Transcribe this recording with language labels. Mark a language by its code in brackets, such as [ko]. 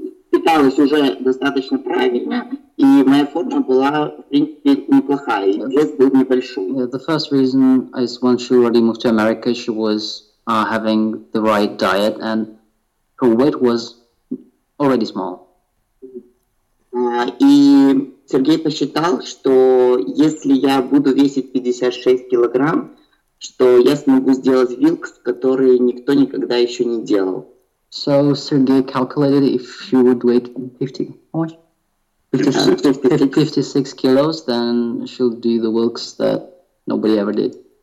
[ru] Питалась уже достаточно правильно, и моя форма была, в принципе, неплохая, вес был небольшой. [en] Yeah, the first reason is when she already moved to America, she was having the right diet, and her weight was already small. [ru] И Сергей посчитал, что если я буду весить 56 килограмм, что я смогу сделать вилкс, который никто никогда еще не делал. [en] So Sergey calculated if she would weigh 56 kilos, then she'll do the wilks that nobody ever did.